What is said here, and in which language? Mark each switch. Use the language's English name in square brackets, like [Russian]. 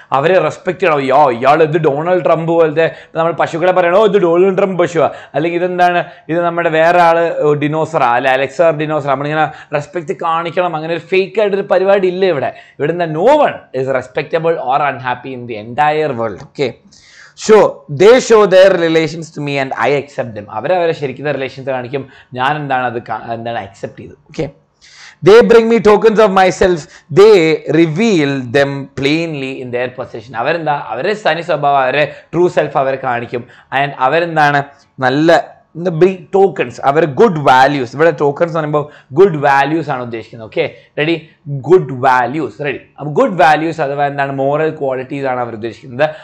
[Malayalam] അവരെ റെസ്പെക്ട് ചെയ്യണം, യോ ഇയാൾ ഇത് ഡൊണാൾഡ് ട്രംപ് പോലത്തെ നമ്മൾ പശുക്കളെ പറയണോ, ഇത് ഡൊണാൾഡ് ട്രംപ് പശുവാ, അല്ലെങ്കിൽ ഇതെന്താണ് ഇത് നമ്മുടെ വേറെ ആള് ഡിനോസറാ അല്ലെ, അലക്സർ ഡിനോസറാ, നമ്മളിങ്ങനെ റെസ്പെക്ട് കാണിക്കണം. അങ്ങനെ ഒരു ഫേക്ക് ആയിട്ടൊരു പരിപാടി ഇല്ല ഇവിടെ. ഇവിടെ എന്താ, [English] No one is respectable or unhappy in the entire world. Okay, show they show their relations to me and I accept them. [Malayalam] അവരവരെ ശരിക്കുന്ന റിലേഷൻസ് കാണിക്കും, ഞാൻ എന്താണ് അത് എന്താണ് അക്സെപ്റ്റ് ചെയ്ത്. [English] Okay, They bring me tokens of myself. They reveal them plainly in their possession. [Malayalam] അവരെന്താ, അവരെ സനി സ്വഭാവം, അവരെ ട്രൂ സെൽഫ് അവരെ കാണിക്കും. ആൻഡ് അവരെന്താണ് നല്ല ടോക്കൺസ്, അവർ ഗുഡ് വാല്യൂസ്. ഇവിടെ ടോക്കൺസ് പറയുമ്പോൾ ഗുഡ് വാല്യൂസ് ആണ് ഉദ്ദേശിക്കുന്നത്. Okay ready? Good values ready? അപ്പോൾ ഗുഡ് വാല്യൂസ് അഥവാ എന്താണ് മോറൽ ക്വാളിറ്റീസ് ആണ് അവർ ഉദ്ദേശിക്കുന്നത്.